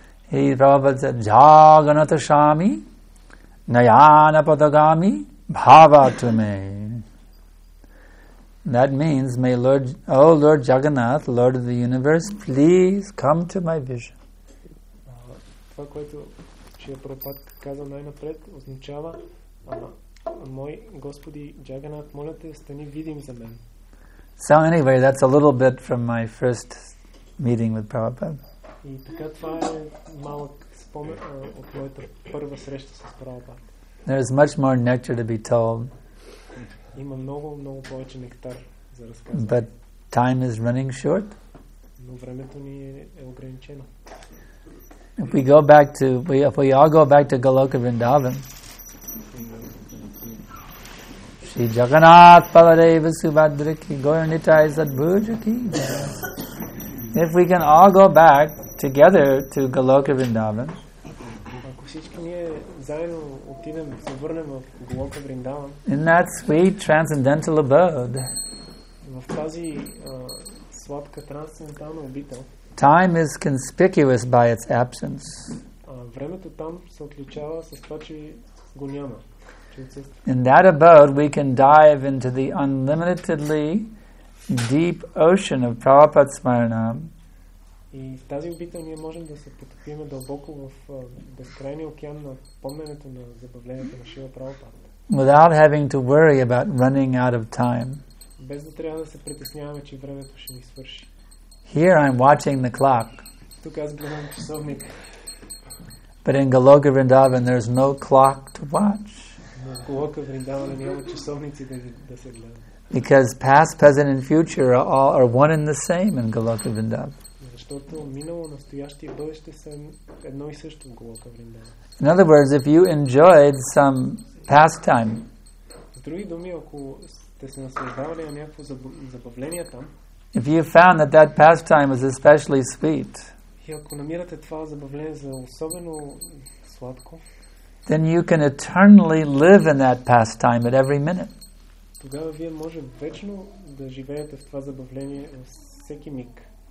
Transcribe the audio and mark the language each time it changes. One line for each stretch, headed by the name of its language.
English: He, Prabhupada said,
Sanskrit: Jagannathashami Nayanapadagami Bhava
English: to me. That means, may Lord, O Lord Jagannath, Lord of the universe, please come to my vision.
Bulgarian: Това, което Шрила Прабхупада каза най-напред, означава, мой Господи Джаганат, моля те, стани видим за мен.
English: So anyway, that's a little bit from my first meeting with Prabhupada.
Bulgarian: И така това е малък спомен от моята първа среща с Прабхупада.
English: There is much more nectar to be told.
Bulgarian: Има много, много повече нектар за разказване.
English: But time is running short.
Bulgarian: Но времето ни е ограничено.
English: If we all go back to Goloka Vrindavan.
Sanskrit: Shri Jagannath Paladeva Subhadraki Gauranitai Sadbhujaki.
English: If we can all go back together to Goloka Vrindavan.
Bulgarian: Ако всички ние заедно отидем, се върнем в Голока Вриндаван.
English: In that sweet transcendental abode.
Bulgarian: В тази сладка трансцендентална обител.
English: Time is conspicuous by its absence.
Bulgarian: Времето там се отличава с това, че го няма.
English: In that abode we can dive into the unlimitedly deep ocean of Prabhupada Smarana.
Bulgarian: И в тази обител ние можем да се потопим дълбоко в безкрайния океан на помненето на забавлението на Шрила Прабхупада.
English: Without having to worry about running out of time.
Bulgarian: Без да трябва да се притесняваме, че времето ще ни свърши.
English: Here I'm watching the clock.
Bulgarian: Тук аз гледам часовник.
English: But in Goloka Vrindavan there's no clock to watch.
Bulgarian: Но в Голока Вриндаван няма часовници да се гледа.
English: Because past, present and future are one and the same in Goloka Vrindavan.
Bulgarian: Защото минало, настояще и бъдеще са едно и също в Голока Вриндава.
English: In other words, if you enjoyed some pastime,
Bulgarian: в други думи, ако сте се наслаждавали на някакво забавление там,
English: if you found that that pastime was especially sweet,
Bulgarian: и ако намирате това забавление за особено сладко,
English: then you can eternally live in that pastime at every minute.
Bulgarian: Тогава вие може вечно да живеете в това забавление всеки миг.